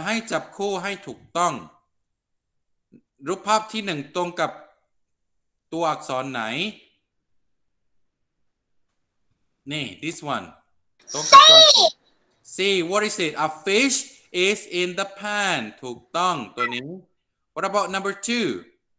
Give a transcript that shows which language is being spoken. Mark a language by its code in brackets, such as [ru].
[th] ให้จับคู่ให้ถูกต้องรูปภาพที่หนึ่งตรงกับตัวอักษรไหนนี่ [en] this one. See what is it? A fish is in the pan. [th] ถูกต้องตัวนี้ [en] What about number 2?